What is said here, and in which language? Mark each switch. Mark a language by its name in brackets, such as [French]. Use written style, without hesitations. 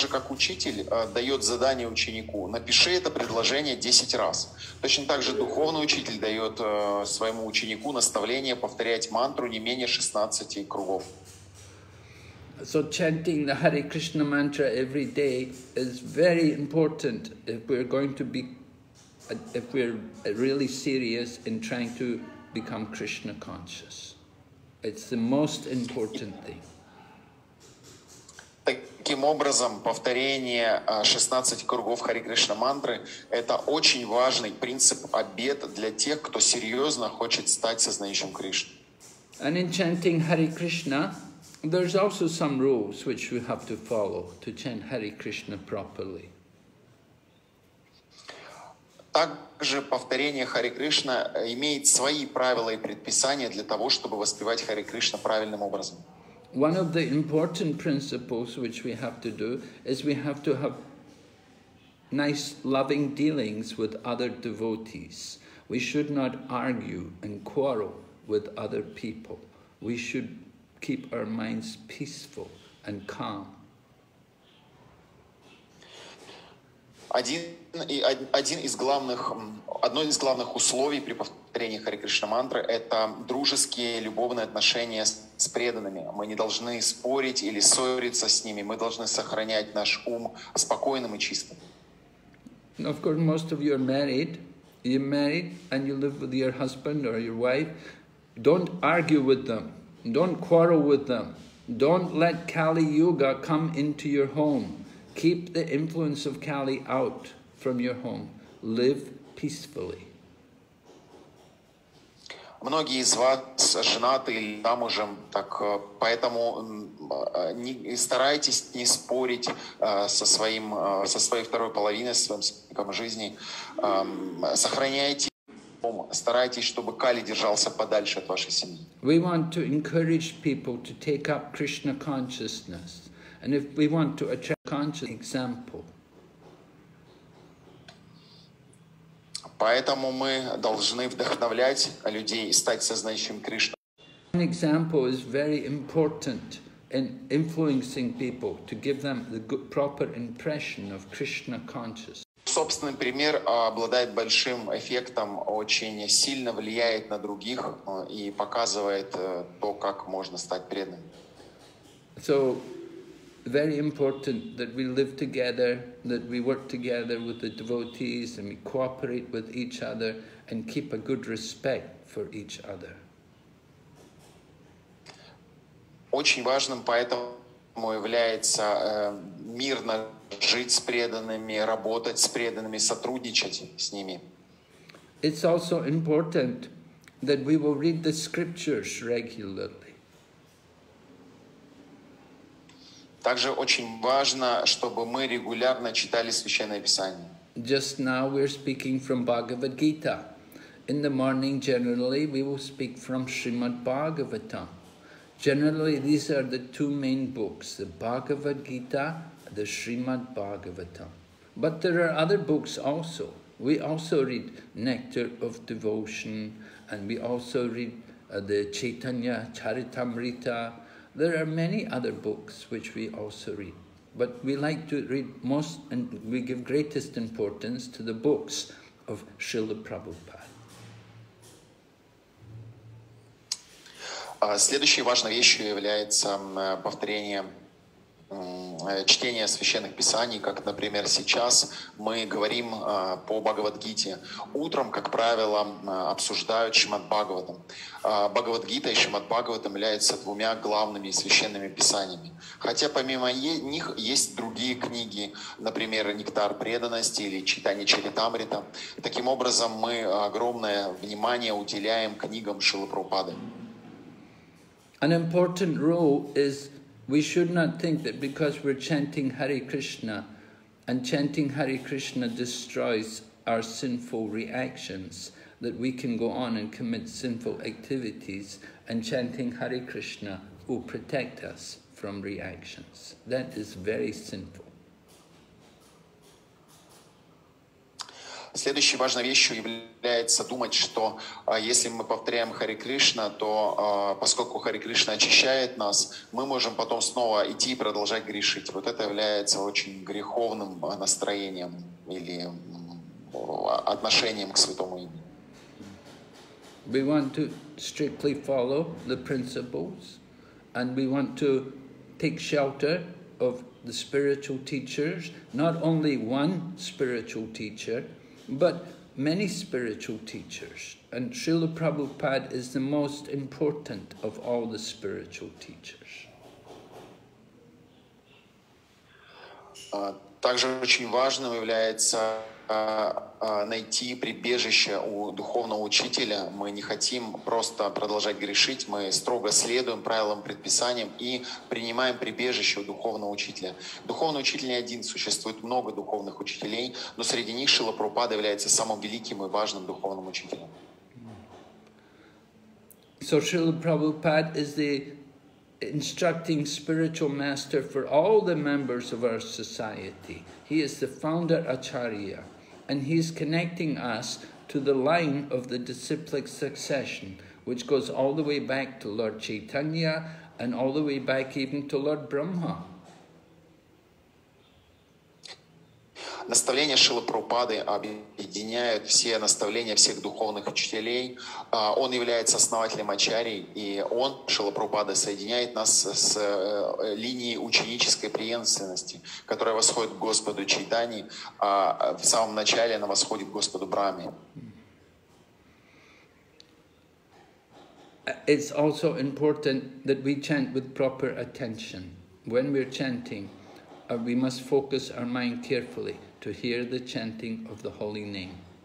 [Russian] Учитель дает задание ученику, напиши это предложение 10 раз. Точно так же духовный учитель дает своему ученику наставление повторять мантру не менее 16 кругов. [English] So chanting the Hare Krishna mantra every day is very important if we're really serious in trying to become Krishna conscious. It's the most important thing. [Russian] Таким образом, повторение 16 кругов Хари Кришна мантры — это очень важный принцип обет для тех, кто серьезно хочет стать сознающим Кришны. [English] And in chanting Hare Krishna, there's also some rules which we have to follow to chant Hare Krishna properly. [Russian] Также повторение Хари Кришна имеет свои правила и предписания для того, чтобы воспевать Хари Кришна правильным образом. [English] One of the important principles which we have to do is we have to have nice loving dealings with other devotees. We should not argue and quarrel with other people. We should keep our minds peaceful and calm. [Russian] Одно из главных условий при повторении Хари Кришна мантры – это дружеские, любовные отношения с преданными. Мы не должны спорить или ссориться с ними. Мы должны сохранять наш ум спокойным и чистым. [English] Of course, most of you are married. You're married and you live with your husband or your wife. Don't argue with them. Don't quarrel with them. Don't let Kali Yuga come into your home. Keep the influence of Kali out from your home. Live peacefully. [Russian] Многие из вас женаты или замужем, так поэтому не старайтесь не спорить со своей второй половиной, со своим спутником жизни. Сохраняйте дом, старайтесь, чтобы Кали держался подальше от вашей семьи. [English] We want to encourage people to take up Krishna consciousness. And if we want to attract conscious example. [Russian] Поэтому мы должны вдохновлять людей и стать сознающим Кришну. [English] An example is very important in influencing people to give them the good, proper impression of Krishna consciousness. [Russian] Собственный пример обладает большим эффектом, очень сильно влияет на других и показывает то, как можно стать преданным. [English] So, very important that we live together, that we work together with the devotees and we cooperate with each other and keep a good respect for each other. [Russian] Очень важным поэтому является мирно жить с преданными, работать с преданными, сотрудничать с ними. [English] It's also important that we will read the scriptures regularly. [Russian] Также очень важно, чтобы мы регулярно читали Священное Писание. [English] Just now we're speaking from Bhagavad Gita. In the morning, generally, we will speak from Srimad Bhagavatam. Generally, these are the two main books, the Bhagavad Gita, the Srimad Bhagavatam. But there are other books also. We also read Nectar of Devotion, and we also read the Chaitanya Charitamrita. There are many other books which we also read, but we like to read most and we give greatest importance to the books of Srila Prabhupada. [Russian] Следующей важной вещью является повторение чтения священных писаний, как, например, сейчас мы говорим по Бхагавад-гите. Утром, как правило, обсуждают Шримад-Бхагаватам. Бхагавад-гита и Шримад-Бхагаватам являются двумя главными священными писаниями. Хотя помимо них есть другие книги, например, «Нектар преданности» или «Читание Чаритамрита». Таким образом, мы огромное внимание уделяем книгам Шрилы Прабхупады. [English] An important rule is we should not think that because we're chanting Hare Krishna, and chanting Hare Krishna destroys our sinful reactions, that we can go on and commit sinful activities, and chanting Hare Krishna will protect us from reactions. That is very sinful. [Russian] Следующей важной вещью является думать, что если мы повторяем Хари Кришна, то поскольку Хари Кришна очищает нас, мы можем потом снова идти и продолжать грешить. Вот это является очень греховным настроением или отношением к святому имени. [English] We want to strictly follow the principles, and we want to take shelter of the spiritual teachers, not only one spiritual teacher, but many spiritual teachers, and Srila Prabhupada is the most important of all the spiritual teachers. [Russian] Также очень важным является найти прибежище у духовного учителя. Мы не хотим просто продолжать грешить, мы строго следуем правилам, предписаниям и принимаем прибежище у духовного учителя. Духовный учитель не один, существует много духовных учителей, но среди них Шрила Прабхупада является самым великим и важным духовным учителем. [English] So Srila Prabhupada is the instructing spiritual master for all the members of our society. He is the founder Acharya. And he's connecting us to the line of the disciplic succession, which goes all the way back to Lord Chaitanya and all the way back even to Lord Brahma. [Russian] Наставления Шрилы Прабхупады объединяют все наставления всех духовных учителей. Он является основателем Ачарьи, и он, Шрила Прабхупада, соединяет нас с линией ученической преемственности, которая восходит к Господу Чайтани, а в самом начале она восходит к Господу Брахме. [English] It's also important that we chant with proper attention. When we're chanting, we must focus our mind carefully to hear the chanting of the holy name.